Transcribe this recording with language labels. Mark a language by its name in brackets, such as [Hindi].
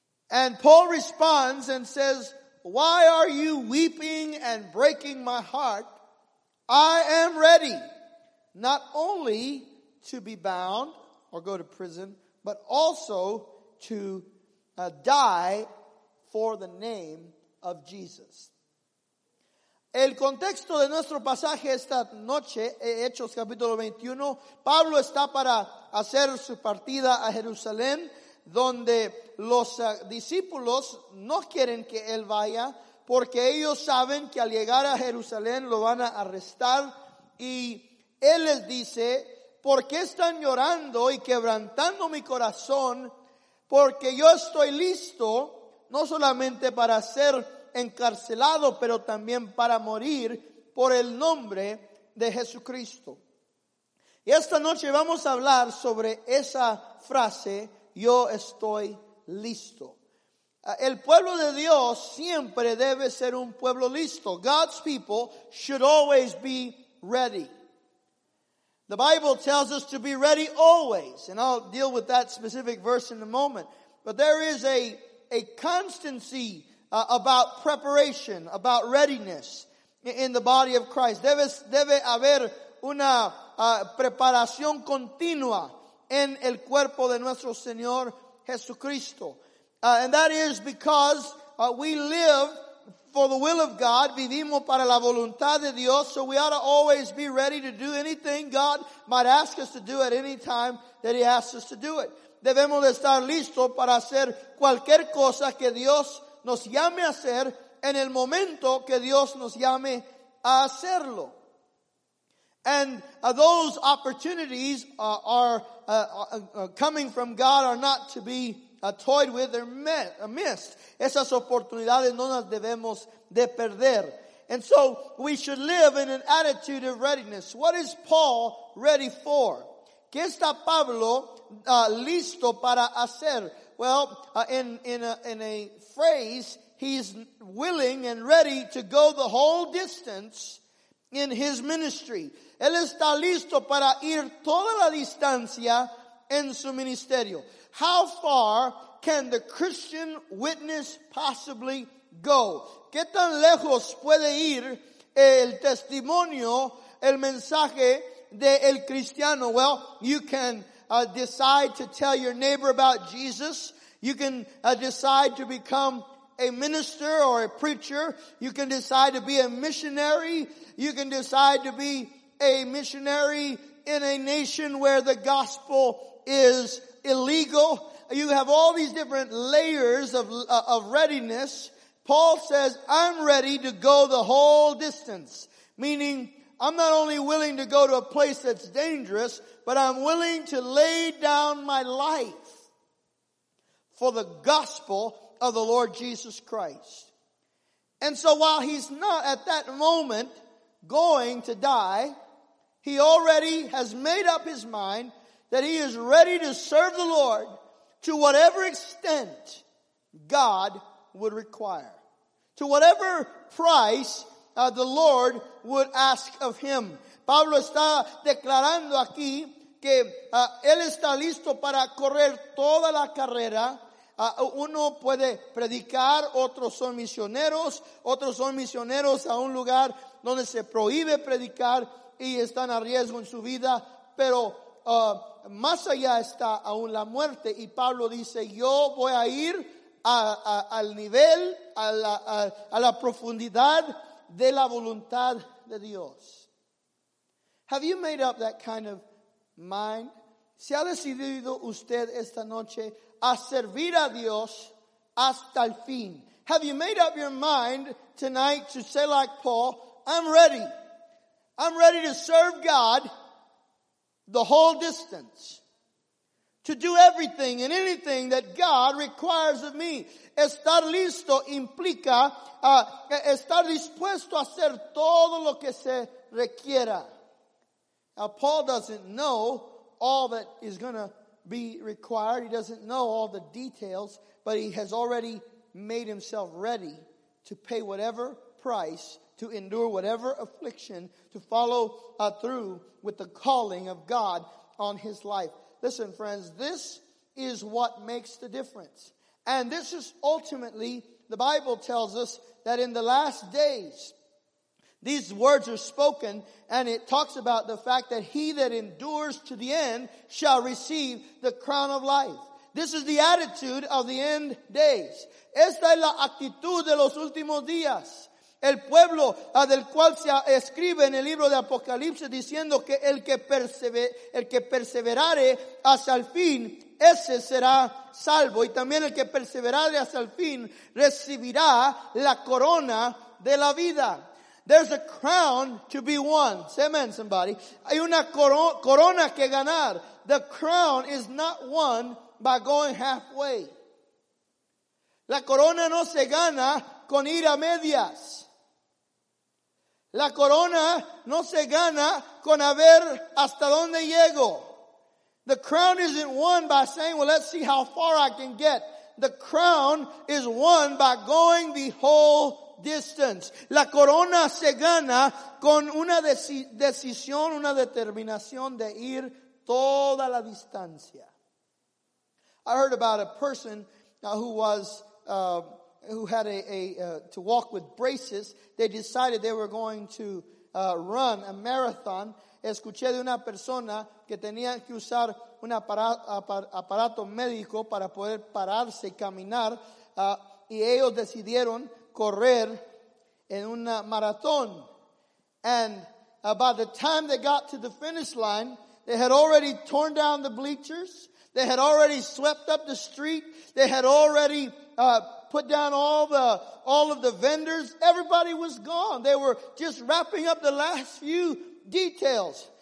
[English] And Paul responds and says, why are you weeping and breaking my heart? I am ready not only to be bound or go to prison, but also to die for the name of Jesus. [Spanish] El contexto de nuestro pasaje esta noche, Hechos capítulo 21, Pablo está para hacer su partida a Jerusalén, donde los discípulos no quieren que él vaya porque ellos saben que al llegar a Jerusalén lo van a arrestar. Y él les dice, ¿por qué están llorando y quebrantando mi corazón? Porque yo estoy listo no solamente para ser encarcelado, pero también para morir por el nombre de Jesucristo. Y esta noche vamos a hablar sobre esa frase, yo estoy listo. El pueblo de Dios siempre debe ser un pueblo listo. [English] God's people should always be ready. The Bible tells us to be ready always. And I'll deal with that specific verse in a moment. But there is a constancy about preparation, about readiness in the body of Christ. [Spanish] Debe haber una preparación continua en el cuerpo de nuestro Señor Jesucristo. [English] And that is because we live for the will of God. [Spanish] Vivimos para la voluntad de Dios. [English] So we ought to always be ready to do anything God might ask us to do at any time that he asks us to do it. [Spanish] debemos de estar listos para hacer cualquier cosa que Dios nos llame a hacer en el momento que Dios nos llame a hacerlo. [English] And those opportunities are coming from God are not to be toyed with or missed. [Spanish] Esas oportunidades no las debemos de perder. [English] And so we should live in an attitude of readiness. What is Paul ready for? [Spanish] ¿Qué está Pablo listo para hacer? [English] Well, in a phrase, he's willing and ready to go the whole distance in his ministry. [Spanish] Él está listo para ir toda la distancia en su ministerio. [English] How far can the Christian witness possibly go? [Spanish] ¿Qué tan lejos puede ir el testimonio, el mensaje de el cristiano? [English] Well, you can decide to tell your neighbor about Jesus. You can decide to become a minister or a preacher. You can decide to be a missionary. You can decide to be a missionary in a nation where the gospel is illegal. You have all these different layers of readiness. Paul says, I'm ready to go the whole distance. Meaning, I'm not only willing to go to a place that's dangerous, but I'm willing to lay down my life for the gospel of the Lord Jesus Christ. And so while he's not at that moment going to die, he already has made up his mind that he is ready to serve the Lord to whatever extent God would require, to whatever price the Lord would ask of him. [Spanish] Pablo está declarando aquí que él está listo para correr toda la carrera. Uno puede predicar, otros son misioneros a un lugar donde se prohíbe predicar y están a riesgo en su vida, pero más allá está aún la muerte. Y Pablo dice, yo voy a ir al nivel, a la profundidad de la voluntad de Dios. [English] Have you made up that kind of mind? [Spanish] ¿Se ha decidido usted esta noche a servir a Dios hasta el fin? [English] Have you made up your mind tonight to say like Paul, I'm ready. I'm ready to serve God the whole distance. To do everything and anything that God requires of me. [Spanish] Estar listo implica estar dispuesto a hacer todo lo que se requiera. [English] Now, Paul doesn't know all that is going to be required. He doesn't know all the details, but he has already made himself ready to pay whatever price, to endure whatever affliction, to follow through with the calling of God on his life. Listen, friends, this is what makes the difference. And this is ultimately, the Bible tells us that in the last days, these words are spoken, and it talks about the fact that he that endures to the end shall receive the crown of life. This is the attitude of the end days. [Spanish] Esta es la actitud de los últimos días. El pueblo del cual se escribe en el libro de Apocalipsis diciendo que el que perseverare hasta el fin, ese será salvo. Y también el que perseverare hasta el fin recibirá la corona de la vida. [English] There's a crown to be won. Say amen, somebody. [Spanish] Hay una corona que ganar. [English] The crown is not won by going halfway. [Spanish] La corona no se gana con ir a medias. La corona no se gana con a ver hasta dónde llego. [English] The crown isn't won by saying, well, let's see how far I can get. The crown is won by going the whole distance. [Spanish] La corona se gana con una decisión, una determinación de ir toda la distancia. [English] I heard about a person who was who had to walk with braces. They decided they were going to run a marathon. [Spanish] Escuché de una persona que tenía que usar un aparato médico para poder pararse y caminar, y ellos decidieron correr en una maratón. [English] And by the time they got to the finish line, they had already torn down the bleachers. They had already swept up the street. They had already put down all of the vendors. Everybody was gone. They were just wrapping up the last few details.